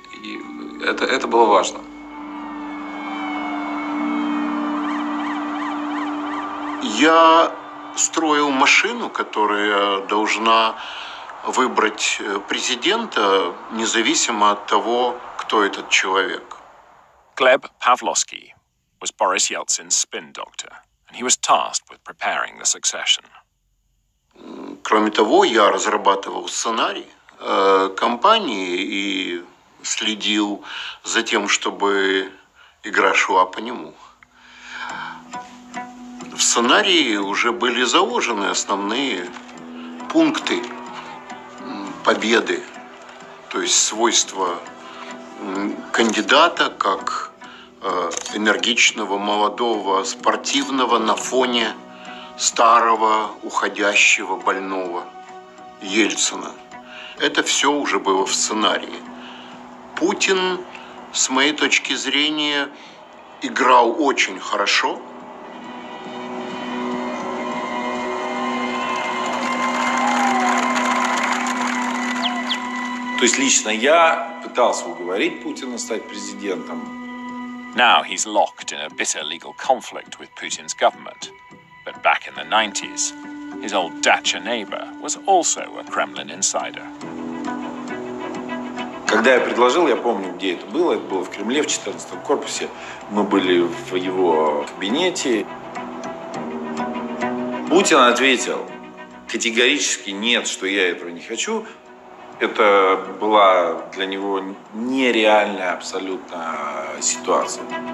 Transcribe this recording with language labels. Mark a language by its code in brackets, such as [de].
[ru] И это было важно. Я строил машину, которая должна выбрать президента, независимо от того, кто этот человек. [en] Gleb Pavlovsky was Boris Yeltsin's spin doctor, and he was tasked with preparing the succession. [ru] Кроме того, я разрабатывал сценарий кампании и следил за тем, чтобы игра шла по нему. В сценарии уже были заложены основные пункты победы, то есть свойства кандидата как энергичного, молодого, спортивного на фоне старого, уходящего, больного Ельцина. Это все уже было в сценарии. Путин, с моей точки зрения, играл очень хорошо. То есть лично я пытался уговорить Путина стать президентом. [en] Now he's locked in a bitter legal conflict with Putin's government. But back in the 90s, his old dacha neighbor was also a Kremlin insider. [ru] Когда я предложил, я помню, где это было в Кремле, в 14-м корпусе. Мы были в его кабинете. Путин ответил категорически нет, что я этого не хочу. Это была для него нереальная абсолютно ситуация.